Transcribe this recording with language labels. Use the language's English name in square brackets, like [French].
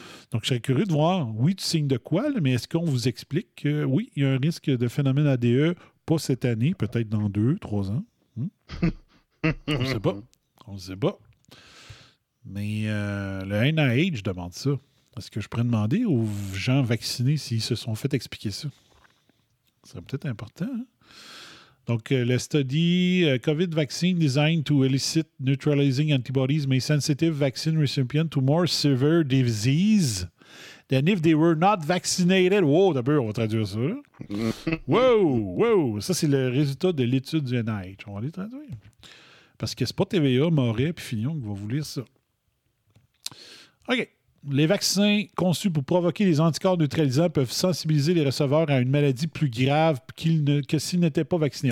[French] Donc, je serais curieux de voir, oui, tu signes de quoi, là, mais est-ce qu'on vous explique que, oui, il y a un risque de phénomène ADE, pas cette année, peut-être dans 2-3 ans. On ne sait pas. Mais le NIH demande ça. Est-ce que je pourrais demander aux gens vaccinés s'ils se sont fait expliquer ça? C'est peut-être important. Hein? Donc, le [English] study COVID vaccine designed to elicit neutralizing antibodies may sensitive vaccine recipient to more severe disease than if they were not vaccinated. [French] Wow, d'abord, on va traduire ça. Là. Wow! Ça, c'est le résultat de l'étude du NIH. On va les traduire. Parce que c'est pas TVA, Moret, puis Fignon qui va vous lire ça. OK. Les vaccins conçus pour provoquer des anticorps neutralisants peuvent sensibiliser les receveurs à une maladie plus grave que s'ils n'étaient pas vaccinés.